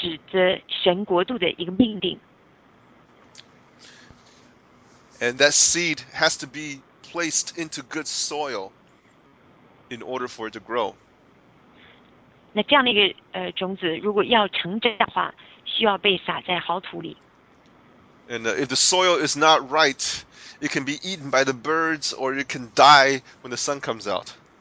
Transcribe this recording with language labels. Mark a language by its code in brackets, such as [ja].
[zh] 那这个种子它就是指着神国度的一个命定。 [en] And that seed has to be placed into good soil in order for it to grow. [zh] 那这样的一个种子，如果要成长的话，需要被撒在好土里。 [en] And if the soil is not right, it can be eaten by the birds or it can die when the sun comes out.